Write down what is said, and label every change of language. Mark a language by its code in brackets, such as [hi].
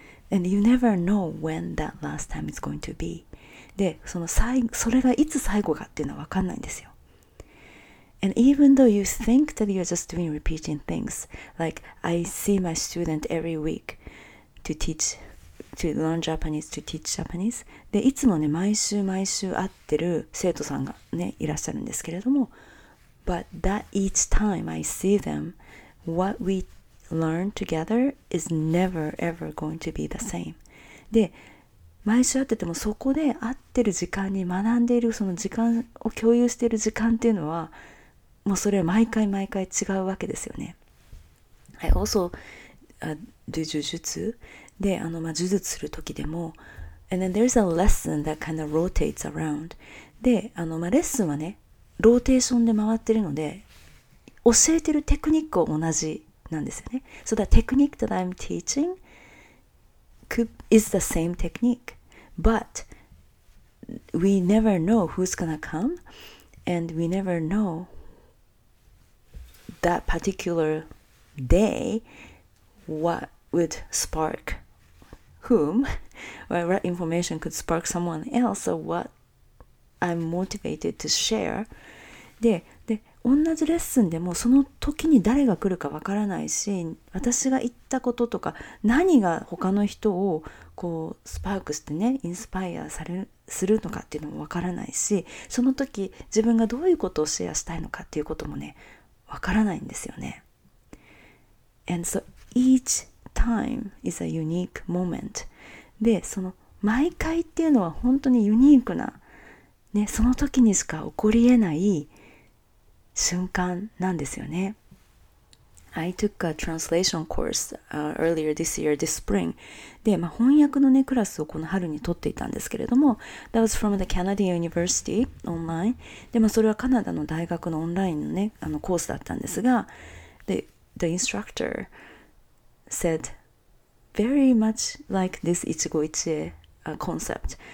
[en] And you never know when that last time is going to be. [ja] で、その最後、それがいつ最後かっていうのは分かんないんですよ。 [en] And even though you think that you're just doing repeating things, like I see my student every week to teach, to learn Japanese, to teach Japanese. [ja] で、いつもね、毎週毎週会ってる生徒さんがね、いらっしゃるんですけれども、 [en] But that each time I see them, what we learn together is never ever going to be the same. [ja] で、毎週会っててもそこで会ってる時間に学んでいるその時間を共有している時間っていうのはもうそれ毎回毎回違うわけですよね。 [en] I also do 呪術 [ja] で、あの、まあ、呪術する時でも [en] And then there's a lesson that kind of rotates around. [ja] で、あの、まあ、レッスンはね、ローテーションで回ってるので教えてるテクニックを同じなんですよね。 [en] So the technique that I'm teaching is the same technique, but we never know who's gonna come, and we never know that particular day what would spark whom, or what information could spark someone else, or what I'm motivated to share. [ja] で、同じレッスンでもその時に誰が来るかわからないし、私が言ったこととか何が他の人をこうスパークしてね、インスパイアするのかっていうのもわからないし、その時自分がどういうことをシェアしたいのかっていうこともね、わからないんですよね。 [en] And so each time is a unique moment. [ja] で、その毎回っていうのは本当にユニークな、ね、その時にしか起こり得ない瞬間なんですよね。 [en] I took a translation course、earlier this year, this spring. [ja] で、まあ、翻訳のね、クラスをこの春に取っていたんですけれども、 [en] That was from the Canadian University online. [ja] で、まあ、それはカナダの大学のオンラインのね、あのコースだったんですが、 [en] The instructor said very much like this Ichigo Ichie、concept.